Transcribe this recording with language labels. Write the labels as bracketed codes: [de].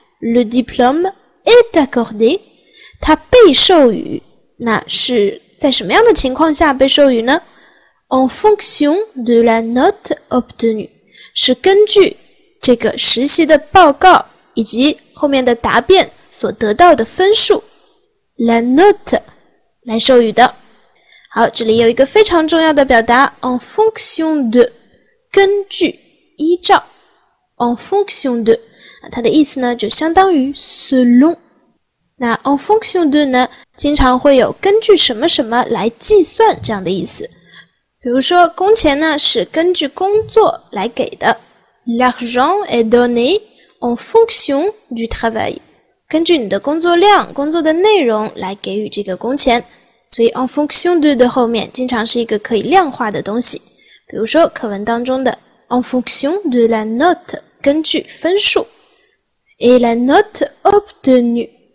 [fr] le diplôme est accordé， [zh] 它被授予。那是在什么样的情况下被授予呢？ [fr] en fonction de la note obtenue， [zh] 是根据这个实习的报告以及后面的答辩所得到的分数 [fr] la note [zh] 来授予的。好，这里有一个非常重要的表达 en fonction de， 根据依照 [fr] en fonction de， [zh] 它的意思呢就相当于 selon。那 en fonction de 呢经常会有根据什么什么来计算这样的意思，比如说工钱呢是根据工作来给的， [fr] l'argent est donné en fonction du travail， [zh] 根据你的工作量、工作的内容来给予这个工钱。所以 en fonction de 的后面经常是一个可以量化的东西，比如说课文当中的 [fr] en fonction de la note， [zh] 根据分数， [fr] et la note obtenue，